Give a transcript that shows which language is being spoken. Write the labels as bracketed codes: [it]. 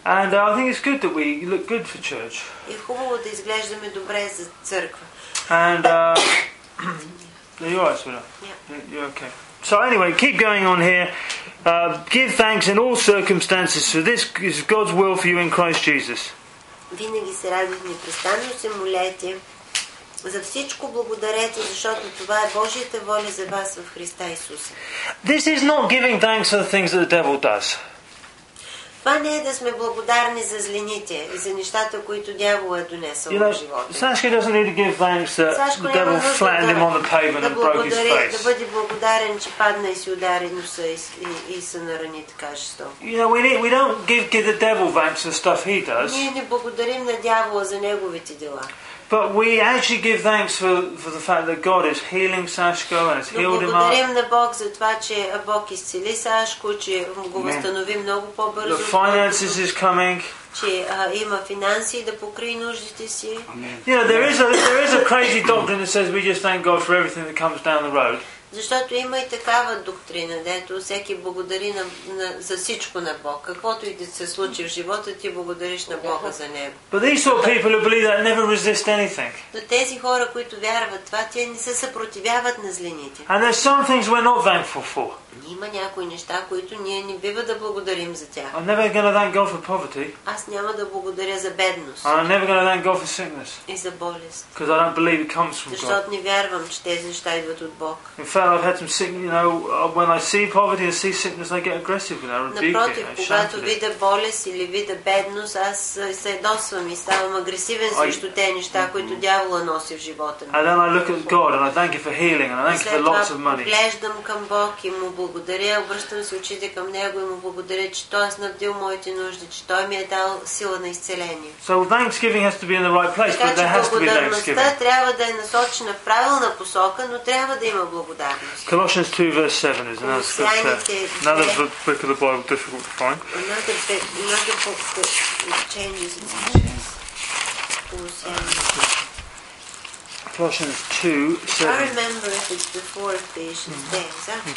[en] And I think it's good that we look good for church. [bg] И хубаво да изглеждаме добре за църква. [en] And are you alright, sweetheart? Yeah. You're okay. So anyway, keep going on here. Give thanks in all circumstances, for this is God's will for you in Christ Jesus. [bg] Винаги се радвайте, непрестанно се молете. За всичко благодарете, защото това е Божията воля за вас в Христа Исус. [en] This is not giving thanks for the things that the devil does. [bg] Това не е да сме благодарни за злините и за нещата, които дявола е донесъл в живота. [en] Сашко doesn't need to give thanks that the devil flattened him on the pavement and broke his face. [bg] Да бъде благодарен, че падна и си удари носа и се нарани така жестоко. [en] You know, we don't give the devil thanks for stuff he does. [bg] Ние не благодарим на дявола за неговите дела. [en] But we actually give thanks for the fact that God is healing Sashko and has healed him up. [bg] Благодарим на Бог за това, че Бог изцели Сашко, че го възстанови много по-бързо. [en] The finances is coming. [bg] Че има финанси да покрие нуждите си. [en] You know, there is a crazy doctrine that says we just thank God for everything that comes down the road. [bg] Защото има и такава доктрина, дето всеки благодари за всичко на Бог. Каквото и да се случи в живота, ти благодариш на Бога за него. [en] But these sort of people who believe that never resist anything. [bg] Но тези хора, които вярват това, те не се съпротивяват на злините. [en] And there's some things we're not thankful for. [bg] Има някои неща, които ние не бива да благодарим за тях. [en] I'm never gonna thank God for poverty. [bg] Аз няма да благодаря за бедност. [en] I'm never gonna thank God for sickness. [bg] И за болест. [en] Because I don't believe it comes from God. [bg] Защото не вярвам, че тези неща идват от Бог. [en] In fact, I've had some sickness. You know, when I see poverty and see sickness, I get aggressive with her. [bg] Напротив, когато видя болест или видя бедност, аз се ядосвам и ставам агресивен срещу тези неща, които дявола носи в живота ми. [en] And then I look at God and I thank you for healing and I thank you for lots of money. [bg] Глеждам към Бог и му благодаря, обръщам се очите към Него и му благодаря, че Той е снабдил моите нужди, че Той ми е дал сила на изцеление. [en] So thanksgiving has to be in the right place, but there has to be thanksgiving. [bg] Благодарността трябва да е насочена в правилна посока, но трябва да има благодарност. [en] Colossians 2 verse 7 is another scripture. Another book of the Bible, difficult to find. Another book that changes its meaning. Colossians 2, 7. I remember if it's before Ephesians, things.